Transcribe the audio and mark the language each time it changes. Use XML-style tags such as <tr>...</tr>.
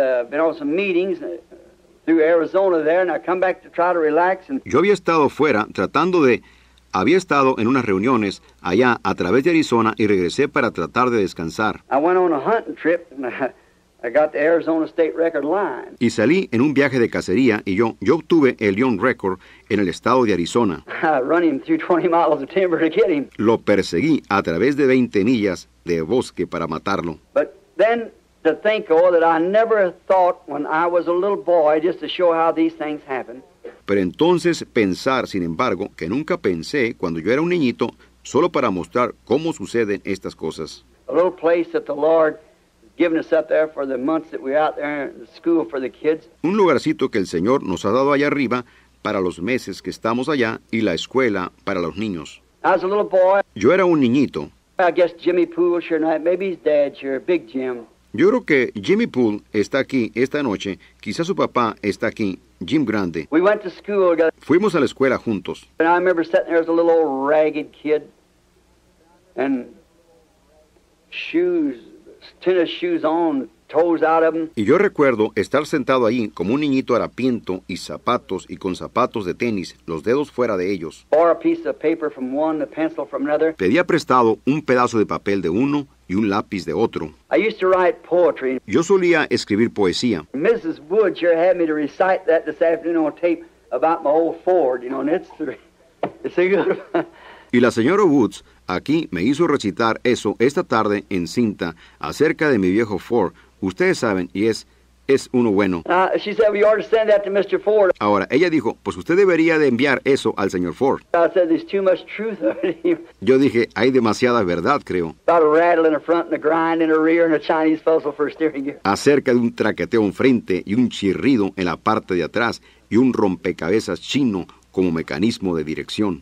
<en>Been on some meetings through Arizona there, and I come back to try to relax. And</en> <es>yo había estado fuera tratando de, había estado en unas reuniones allá a través de Arizona y regresé para tratar de descansar.</es> <en>I went on a hunting trip and I got the Arizona state record line.</en> <es>Y salí en un viaje de cacería y yo obtuve el</es> <en>lion record</en> <es>en el estado de Arizona.</es> <en>I run him through 20 miles of timber to get him.</en> <es>Lo perseguí a través de 20 millas de bosque para matarlo.</es> <en>But then to think, that I never thought when I was a little boy, just to show how these things happen.</en> <es>Pero entonces pensar, sin embargo, que nunca pensé cuando yo era un niñito, solo para mostrar cómo suceden estas cosas.</es> <en>A little place that the Lord giving us up there for the months that we're out there in school for the kids.</en> <es>Un lugarcito que el Señor nos ha dado allá arriba para los meses que estamos allá y la escuela para los niños.</es> <en>I was a little boy.</en> <es>Yo era un niñito.</es> <en>I guess Jimmy Poole sure not. Maybe his dad's here, Big Jim.</en> <es>Yo creo que Jimmy Poole está aquí esta noche. Quizás su papá está aquí, Jim Grande.</es> <en>We went to school together.</en> <es>Fuimos a la escuela juntos.</es> <en>And I remember sitting there as a little old ragged kid, and shoes, tennis shoes on, toes out of them.</en> <es>Y yo recuerdo estar sentado ahí como un niñito harapiento y zapatos y con zapatos de tenis, los dedos fuera de ellos.</es> <en>Or a piece of paper from one, a pencil from another.</en> <es>Pedía prestado un pedazo de papel de uno y un lápiz de otro.</es> <en>I used to write poetry.</en> <es>Yo solía escribir poesía.</es> <en>Mrs. Wood sure had me to recite that this afternoon on tape about my old Ford, you know, and it's a good one.</en> <es>Y la señora Woods aquí me hizo recitar eso esta tarde en cinta acerca de mi viejo Ford. Ustedes saben, y es uno bueno.</es> <en>She said, well, you ought to send that to Mr. Ford.</en> <es>Ahora, ella dijo, pues usted debería de enviar eso al señor Ford.</es> <en>I said, there's too much truth in him.</en> <es>Yo dije, hay demasiada verdad, creo.</es> <en>About a rattle in the front and a grind in the rear and a Chinese puzzle for a steering gear.</en> <es>Acerca de un traqueteo en frente y un chirrido en la parte de atrás y un rompecabezas chino como mecanismo de dirección.</es>